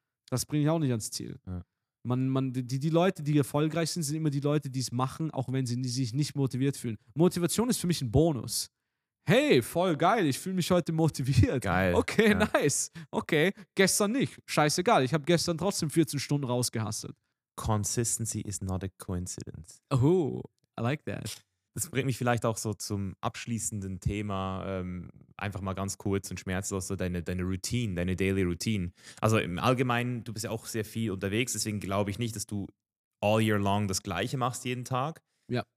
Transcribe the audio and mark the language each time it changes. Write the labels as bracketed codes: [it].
[de] Das bringe ich auch nicht ans Ziel. Ja. Die Leute, die erfolgreich sind, sind immer die Leute, die es machen, auch wenn sie sich nicht motiviert fühlen. Motivation ist für mich ein Bonus. Hey, voll geil, ich fühle mich heute motiviert. Geil. Okay, ja. Nice. Okay, gestern nicht. Scheißegal, ich habe gestern trotzdem 14 Stunden rausgehustelt. [en] Consistency is not a coincidence. Oh, I like that. [de] Das bringt mich vielleicht auch so zum abschließenden Thema, einfach mal ganz kurz und schmerzlos, so deine Routine, deine Daily Routine. Also im Allgemeinen, du bist ja auch sehr viel unterwegs, deswegen glaube ich nicht, dass du [en] all year long [de] das Gleiche machst jeden Tag. Ja.